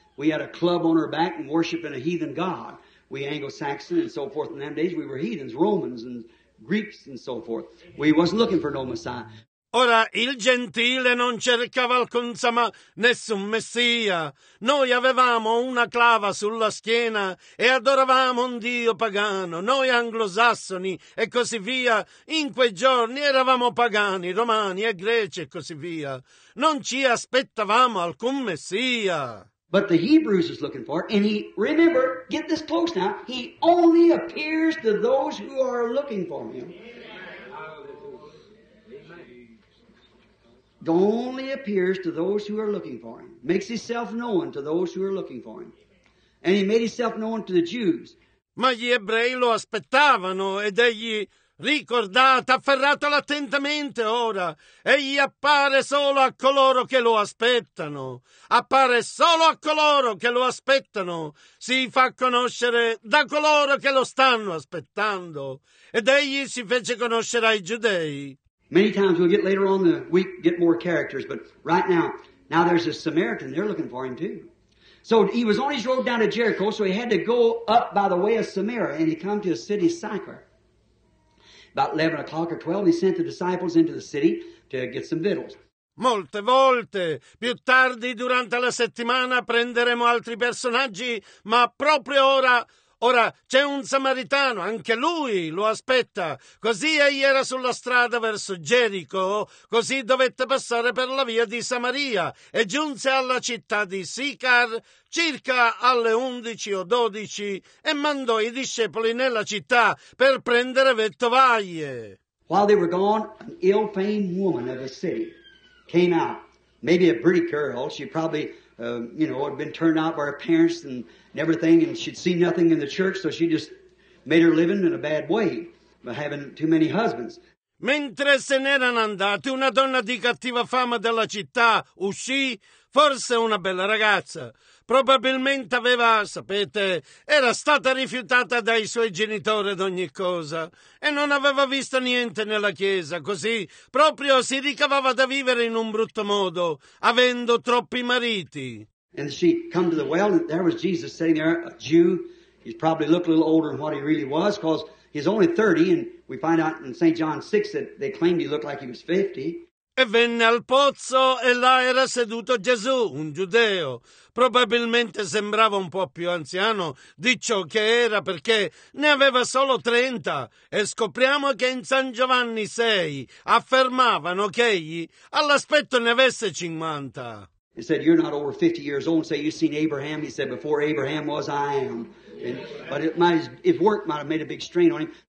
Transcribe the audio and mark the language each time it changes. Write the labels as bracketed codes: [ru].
[en] We had a club on our back and worshiping a heathen god. We Anglo-Saxon and so forth. In them days we were heathens, Romans and Greeks and so forth. We wasn't looking for no Messiah. [it] Ora, il gentile non cercava nessun Messia. Noi avevamo una clava sulla schiena e adoravamo un Dio pagano. Noi anglosassoni e così via. In quei giorni eravamo pagani, romani e greci e così via. Non ci aspettavamo alcun Messia. [en] But the Hebrews is looking for it, and he, remember, get this close now, he only appears to those who are looking for him. Amen. Only appears to those who are looking for him. Makes himself known to those who are looking for him. And he made himself known to the Jews. [it] Ma gli ebrei lo aspettavano, ed egli, ricordate, afferratelo attentamente ora. Egli appare solo a coloro che lo aspettano. Appare solo a coloro che lo aspettano. Si fa conoscere da coloro che lo stanno aspettando. Ed egli si fece conoscere ai giudei. [en] Many times we'll get later on the week, get more characters, but right now there's a Samaritan, they're looking for him too. So he was on his road down to Jericho, so he had to go up by the way of Samaria, and he come to a city, Sychar. About 11 o'clock or 12, he sent the disciples into the city to get some victuals. [it] Molte volte, più tardi durante la settimana, prenderemo altri personaggi, ma proprio ora Ora c'è un samaritano, anche lui lo aspetta. Così egli era sulla strada verso Gerico, così dovette passare per la via di Samaria e giunse alla città di Sicar circa alle 11 o 12 e mandò i discepoli nella città per prendere vettovaglie. [en] While they were gone, an ill-famed woman of the city came out. Maybe a pretty girl, she probably, had been turned out by her parents and everything, and she'd seen nothing in the church, so she just made her living in a bad way by having too many husbands. [it] Mentre se n'erano andati, una donna di cattiva fama della città uscì, forse una bella ragazza. Probabilmente aveva, sapete, era stata rifiutata dai suoi genitori ad ogni cosa e non aveva visto niente nella chiesa, così proprio si ricavava da vivere in un brutto modo, avendo troppi mariti. [en] And she come to the well, and there was Jesus sitting there, a Jew. He probably looked a little older than what he really was, because he's only 30, and we find out in St. John 6 that they claimed he looked like he was 50. [it] E venne al pozzo e là era seduto Gesù, un giudeo. Probabilmente sembrava un po' più anziano di ciò che era, perché ne aveva solo 30. E scopriamo che in San Giovanni 6 affermavano che egli all'aspetto ne avesse 50. [en] He said, "You're not over 50 years old. Say, you've seen Abraham." He said, "Before Abraham was, I am." And, but it might, if work might have made a big strain on him.